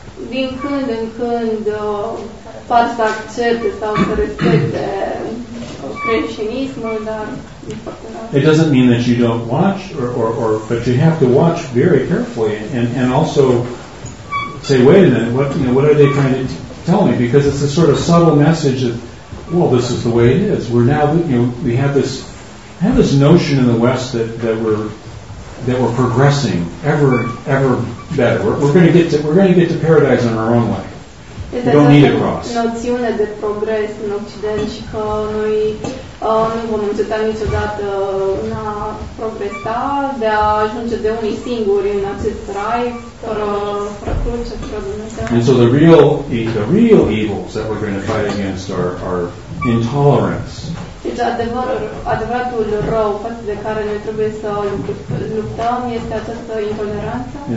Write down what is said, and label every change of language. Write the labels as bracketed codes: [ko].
[ro] Din când în când par să accepte sau să respecte creștinismul, dar [en] it doesn't mean that you don't watch, or but you have to watch very carefully, and also say, wait a minute, what are they trying to tell me? Because it's a sort of subtle message of, well, this is the way it is. We're now, we have this notion in the West that we're progressing ever better. We're going to get to paradise on our own way. We don't need a cross. [ro] Noțiune de progres în Occident și că noi nu vom înceta niciodată în a progresa, de a ajunge de unii singuri în acest rai, fără cruce, fără Dumnezeu. [en] And so the real evils that we're going to fight against are intolerance. [ro] Deci adevăratul rău față de care noi trebuie să luptăm este această intoleranță.